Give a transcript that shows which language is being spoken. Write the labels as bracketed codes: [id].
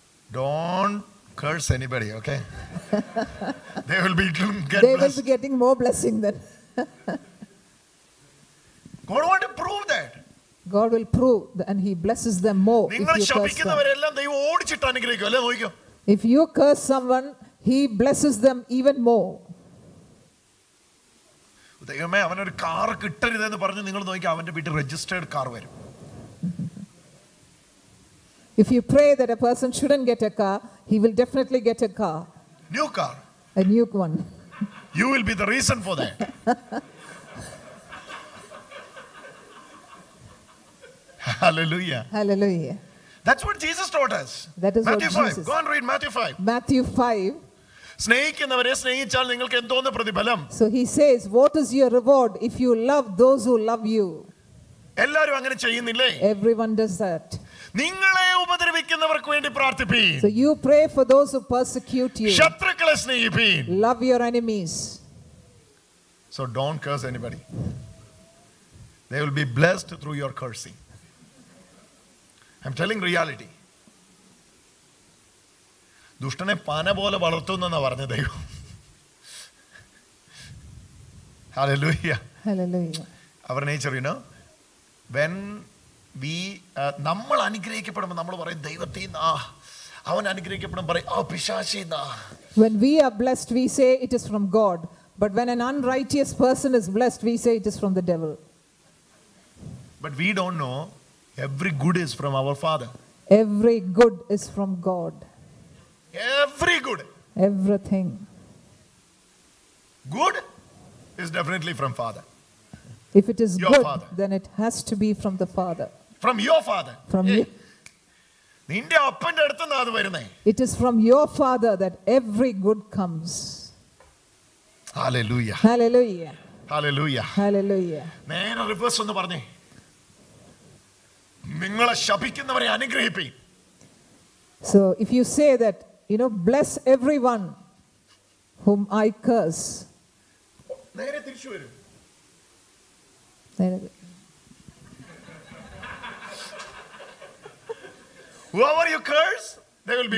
[en] Don't curse anybody, okay? They will be getting blessed. They will be getting more blessing then. God want to prove that. God will prove that, and he blesses them more. [ml] നിങ്ങൾ ശപിക്കുന്നവരെല്ലാം ദൈവം ഓടിച്ചിട്ട് അനുഗ്രഹിക്കും അല്ലേ? നോക്കിയോ. [en] If you curse someone, he blesses them even more. [ml] ദൈവമേ അവനൊരു car കിട്ടരുത് എന്ന് പറഞ്ഞ് നിങ്ങൾ നോക്കി അവന്റെ വീട്ടിൽ രജിസ്റ്റേർഡ് കാർ വരും. [en] If you pray that a person shouldn't get a car, he will definitely get a car. New car. A new one. You will be the reason for that. Hallelujah. Hallelujah. That's what Jesus taught us. That is Matthew what Jesus. 5. Go and read Matthew 5. Matthew 5. [ml] സ്നേഹിക്കുന്നവരെ സ്നേഹിച്ചാൽ നിങ്ങൾക്ക് എന്തോന്ന് പ്രതിഫലം? [en] So he says, what is your reward if you love those who love you? [ml] എല്ലാവരും അങ്ങനെ ചെയ്യുന്നില്ലേ? [en] Everyone does that. [ml] നിങ്ങളെ ഉപദ്രവിക്കുന്നവർക്ക് വേണ്ടി പ്രാർത്ഥിപ്പീൻ. [en] So you pray for those who persecute you. [ml] ശത്രുക്കളെ സ്നേഹിപ്പീൻ. [en] Love your enemies. So don't curse anybody. They will be blessed through your cursing. I'm telling reality. [ml] ദുഷ്ടനെ പന പോലെ വളർത്തുന്നെന്നാ പറഞ്ഞ ദൈവം. [en] Hallelujah. Hallelujah. Our nature, you know, when we [ml] നമ്മൾ അനുഗ്രഹിക്കപ്പെടുമ്പോൾ നമ്മൾ പറയും ദൈവത്തെ നാ, അവൻ അനുഗ്രഹിക്കപ്പെടുമ്പോൾ പറയും ഓ പിശാചേ നാ. [en] When we are blessed, we say it is from God. But when an unrighteous person is blessed, we say it is from the devil. But we don't know every good is from our Father. Every good is from God. Every good. Everything. Good is definitely from Father. If it is your good, father, then it has to be from the Father. From your Father. From you. [ml] നിന്റെ അപ്പന്റെ അടുത്തുന്ന് അത് വരുന്നേ. [en] It is from your Father that every good comes. Hallelujah. Hallelujah. Hallelujah. Hallelujah. [ml] നേരെ reverse ഒന്ന് പറഞ്ഞേ. നിങ്ങളെ ശപിക്കുന്നവരെ അനുഗ്രഹിപ്പീൻ. [en] So if you say that, you know, bless everyone whom I curse. [ml] നേരെ തിരിച്ചു വരും. [en] Whoever you curse, they will be